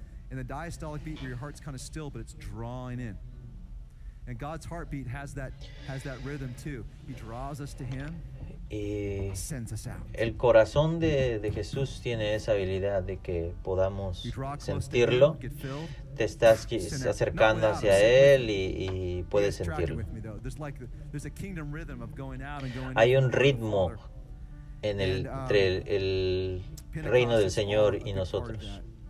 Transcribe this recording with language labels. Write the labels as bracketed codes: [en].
[en] And the diastolic beat where your heart's kind of still, but it's drawing in. And God's heartbeat has that rhythm too. He draws us to Him, sends us out. [es] El corazón de Jesús tiene esa habilidad de que podamos sentirlo. Te estás acercando hacia Él y puedes sentirlo. [en] There's a kingdom rhythm of going out and going [es] in. Hay un ritmo entre el reino del Señor y nosotros.